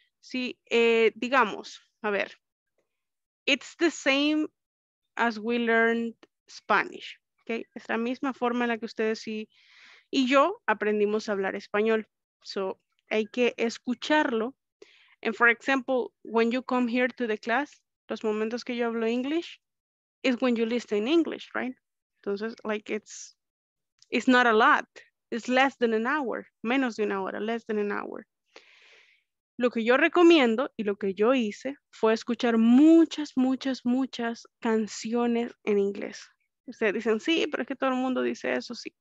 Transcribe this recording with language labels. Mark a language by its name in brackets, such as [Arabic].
[Spanish] Sí, digamos, a ver, [English] it's the same as we learned Spanish, okay? [Spanish] Es la misma forma en la que ustedes y yo aprendimos a hablar español. [English] So, [Spanish] hay que escucharlo. [English] And for example, when you come here to the class, [Spanish] los momentos que yo hablo [English] English, is when you listen English, right? Entonces, like it's not a lot. It's less than an hour, [Spanish] menos de una hora, [English] less than an hour. [Spanish] Lo que yo recomiendo y lo que yo hice fue escuchar muchas canciones en inglés. Ustedes dicen, sí, pero es que todo el mundo dice eso, sí.